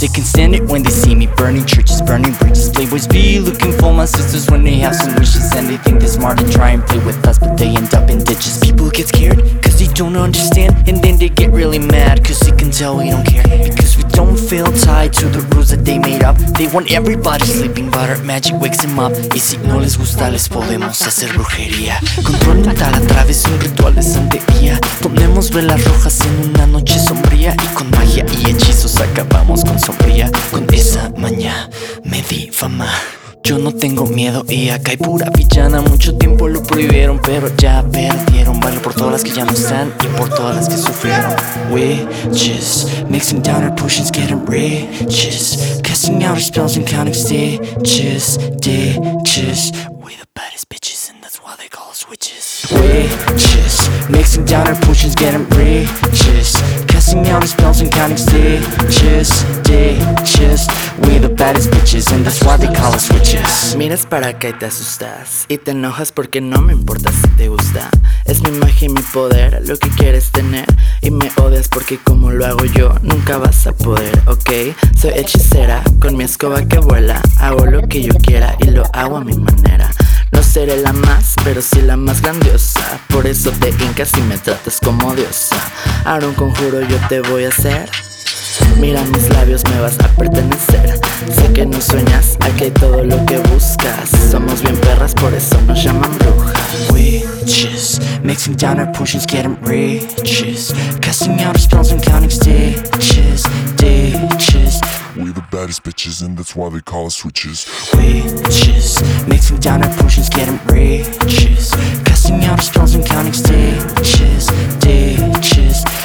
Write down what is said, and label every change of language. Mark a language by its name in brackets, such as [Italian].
[English] They can stand it when they see me burning churches, burning bridges. Playboys be looking for my sisters when they have some wishes, and they think they're smart and try and play with us, but they end up in ditches. People get scared cause they don't understand, and then they get really mad cause they can tell we don't care. Because we don't feel tied to the rules that they made up. They want everybody sleeping, but our magic wakes them up. [Spanish] Y si no les gusta, les podemos hacer brujería. Control mental a través de un ritual de santería. Ponemos velas rojas en una noche sombría, y con magia y hechizos acabamos con sombría. Con esa maña me di fama. Yo no tengo miedo y acá hay pura villana. Mucho tiempo lo prohibieron, pero ya perdieron. Vale por todas las que ya no están y por todas las que sufrieron. [English] Witches, mixing down our potions, getting riches, casting out our spells and counting stitches, ditches. We the baddest bitches, and that's why they call us witches. Witches, mixing down our potions, getting riches, casting out our spells and counting stitches, ditches. We the baddest bitches, and that's why they call us witches. [Spanish] Miras para acá y te asustas, y te enojas porque no me importa si te gusta. Es mi magia y mi poder, lo que quieres tener. Y me odias porque como lo hago yo, nunca vas a poder, ¿ok? Soy hechicera, con mi escoba que vuela. Hago lo que yo quiera y lo hago a mi manera. No seré la más, pero sí la más grandiosa. Por eso te hincas y me tratas como diosa. Ahora un conjuro yo te voy a hacer. Mira mis labios, me vas a pertenecer. Sé que no sueñas, aquí hay todo lo que buscas. Somos bien perras, por eso nos llaman brujas. [English] Witches, mixing down our potions, getting riches, casting out our spells and counting stitches, ditches. We the baddest bitches, and that's why they call us witches. Witches, mixing down our potions, getting riches, casting out our spells and counting stitches, ditches.